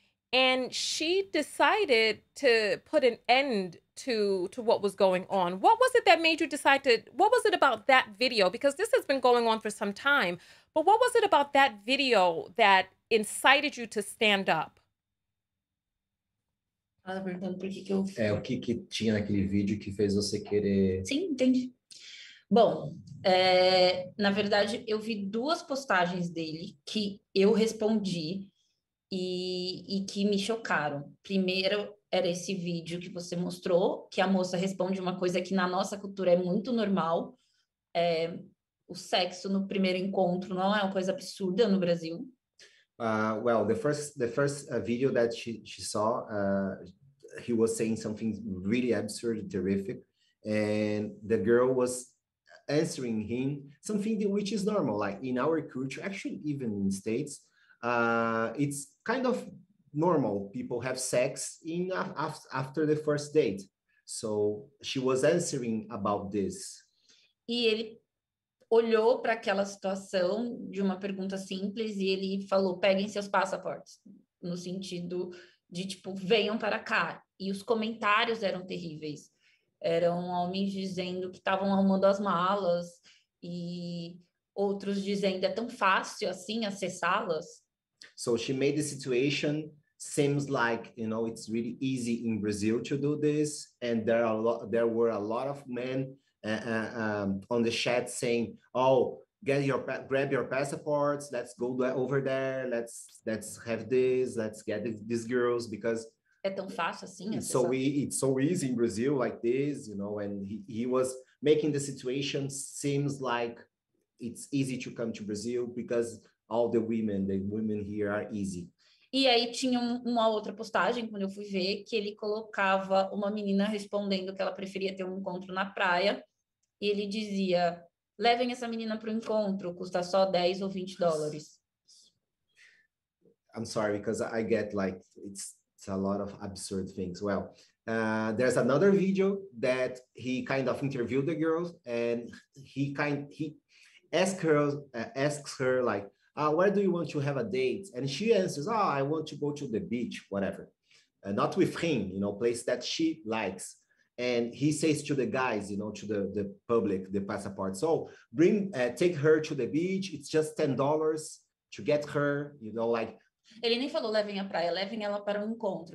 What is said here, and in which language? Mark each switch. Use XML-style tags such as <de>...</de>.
<en>And she decided to put an end to what was going on. What was it that made you decide to, what was it about that video? Because this has been going on for some time, but what was it about that video that incited you to stand up?</en> <pt>Ela perguntando por que que eu... É, o que que tinha naquele vídeo que fez você querer... Sim, entendi. Bom, é, na verdade, eu vi duas postagens dele que eu respondi e que me chocaram. Primeiro era esse vídeo que você mostrou, que a moça responde uma coisa que na nossa cultura é muito normal. É, o sexo no primeiro encontro não é uma coisa absurda no Brasil.</pt> <en>Well, the first video that she saw, he was saying something really absurd, terrific, and the girl was answering him something which is normal, like in our culture, actually even in the States, it's kind of normal. People have sex in after the first date. So she was answering about this.</en> <pt>E ele olhou para aquela situação de uma pergunta simples e ele falou, peguem seus passaportes, no sentido de, tipo, venham para cá. E os comentários eram terríveis. Eram homens dizendo que estavam arrumando as malas e outros dizendo, é tão fácil assim acessá-las.</pt> <en>So she made the situation seems like, you know, it's really easy in Brazil to do this. And there are there were a lot of men on the chat saying, oh, get your grab your passports, let's go over there, let's have this, let's get these girls, because</en> <pt>é tão fácil assim,</pt> <en>it's so it's so easy in Brazil like this, you know. And he was making the situation seems like it's easy to come to Brazil because all the women here are easy.</en> <pt>E aí tinha uma outra postagem, quando eu fui ver, que ele colocava uma menina respondendo que ela preferia ter um encontro na praia. E ele dizia, levem essa menina para o encontro, custa só 10 ou 20 dólares.</pt> <en>I'm sorry, because I get like, it's a lot of absurd things. Well, there's another video that he kind of interviewed the girls, and he asks her like, where do you want to have a date? And she answers, oh, I want to go to the beach, whatever. Not with him, you know, place that she likes. And he says to the guys, you know, to the public, the passport, so bring, take her to the beach. It's just $10 to get her, you know, like.</en> <pt>Ele nem falou levem a praia, levem ela para encontro.</pt>